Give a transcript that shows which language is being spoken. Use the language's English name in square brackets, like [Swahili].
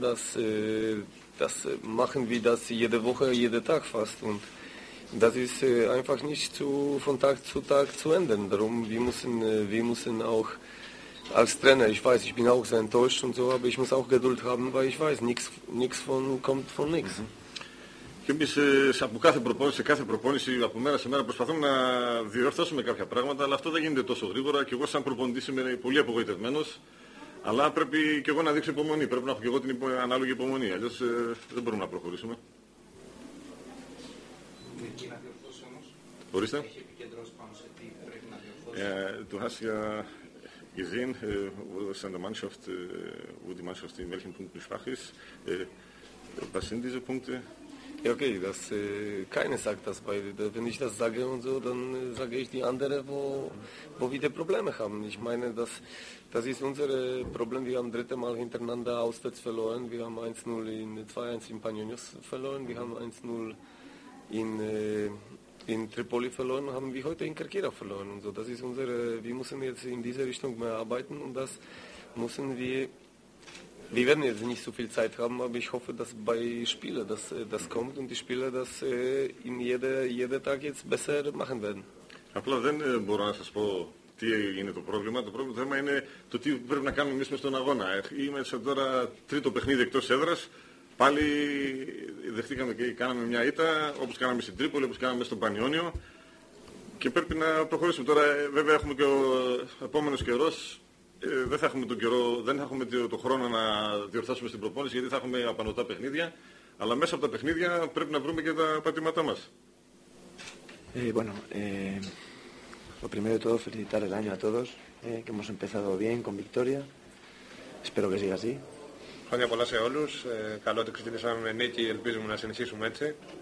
[German] Das machen wir das jede Woche, jeden Tag fast und das ist einfach nicht von Tag zu Tag zu ändern. Darum, wir müssen auch als Trainer, ich weiß, ich bin auch sehr enttäuscht und so, aber ich muss auch Geduld haben, weil ich weiß, nichts kommt von nichts. Mhm. [Greek] Και εμείς από κάθε προπόνηση, από μέρα σε μέρα προσπαθούμε να διορθώσουμε κάποια πράγματα, αλλά αυτό δεν γίνεται τόσο γρήγορα και εγώ σαν προπονητής είμαι πολύ απογοητευμένος, αλλά πρέπει και εγώ να δείξω υπομονή, πρέπει να έχω και εγώ την ανάλογη υπομονή, αλλιώς δεν μπορούμε να προχωρήσουμε. Εκεί να διορθώσει έχει επικεντρώσει πάνω σε τι πρέπει να διορθώσει. [German] Du hast ja gesehen, wo die Mannschaft in welchen Punkten schwach ist. Was sind diese Punkte? Ja, okay, das, keiner sagt das bei dir. Wenn ich das sage und so, dann sage ich die anderen, wo wieder Probleme haben. Ich meine, das ist unser Problem. Wir haben dritte Mal hintereinander auswärts verloren. Wir haben 1-0 in 2-1 in Panionios verloren. Wir haben 1-0 in Tripoli verloren. Haben wir heute in Kerkira verloren. Und so, das ist unsere, wir müssen jetzt in diese Richtung mehr arbeiten und das müssen wir. Wir werden jetzt nicht so viel Zeit haben, aber ich hoffe, dass bei Spielen das kommt und die Spieler das in jeden Tag jetzt besser machen werden. [Greek] Απλά δεν μπορώ να σας πω τι είναι το πρόβλημα. Το πρόβλημα είναι το τι πρέπει να κάνουμε εμείς μες στον αγώνα. Είμαστε τώρα τρίτο παιχνίδι εκτός έδρας. Πάλι δεχτήκαμε και κάναμε μια ήττα, όπως κάναμε στην Τρίπολη, όπως κάναμε στον Πανιόνιο. Και πρέπει να προχωρήσουμε τώρα. Βέβαια έχουμε και ο επόμενος καιρός. Δεν θα έχουμε τον καιρό, δεν θα έχουμε το χρόνο να διορθώσουμε στην προπόνηση γιατί θα έχουμε απανωτά παιχνίδια. Αλλά μέσα από τα παιχνίδια πρέπει να βρούμε και τα πατήματά μας. [Spanish] Bueno, lo primero de todo, felicitar el año a todos, que hemos empezado bien, con victoria. Espero que siga así. [Greek] Χρόνια πολλά σε όλους. Καλό ότι ξεκινήσαμε με νίκη, ελπίζουμε να συνεχίσουμε έτσι.